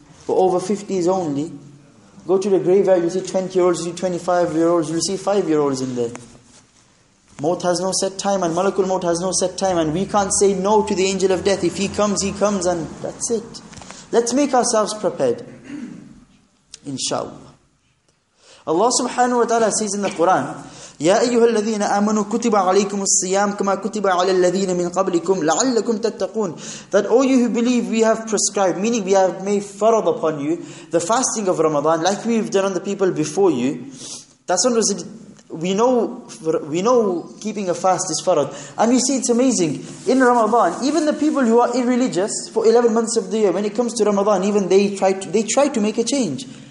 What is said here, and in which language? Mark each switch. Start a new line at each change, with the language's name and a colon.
English: For over 50s only. Go to the graveyard, you see 20-year-olds, you see 25-year-olds, you see 5-year-olds in there. Maut has no set time, and Malakul Maut has no set time, and we can't say no to the angel of death. If he comes, he comes, and that's it. Let's make ourselves prepared. Inshallah. Allah subhanahu wa ta'ala says in the Quran,
Arabic: يَا أَيُّهَا الَّذِينَ آمَنُوا كُتِبَ عَلَيْكُمُ الصِّيَامُ كَمَا كُتِبَ عَلَى الَّذِينَ مِنْ قَبْلِكُمْ لَعَلَّكُمْ تَتَّقُونَ.
English: That all you who believe, we have prescribed, meaning we have made farad upon you, the fasting of Ramadan, like we've done on the people before you. That's what we know keeping a fast is farad. And you see, it's amazing. In Ramadan, even the people who are irreligious for 11 months of the year, when it comes to Ramadan, even they try to make a change.